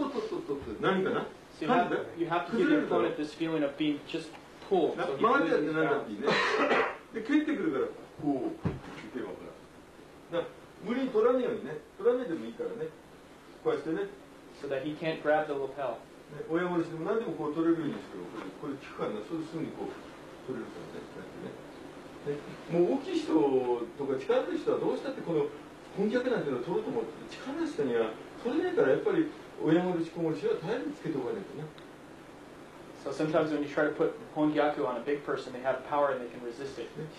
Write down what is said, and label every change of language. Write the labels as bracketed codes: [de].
[en] You have to give your opponent this feeling of being just pulled. So he loses his balance. [ja] で、蹴ってくるから、こう、蹴ってもいいからね。こうしてね。 [en] So that he can't grab the lapel. [ja] 親殺しでも何でもこう取れるようにしてる。これ効くからな。そうすぐにこう取れるからね。もう大きい人とか力ある人はどうしたってこの本客なんていうのを取ろうと思って、力ある人には取れないからやっぱり [en] So sometimes when you try to put hongyaku on a big person, they have power and they can resist it.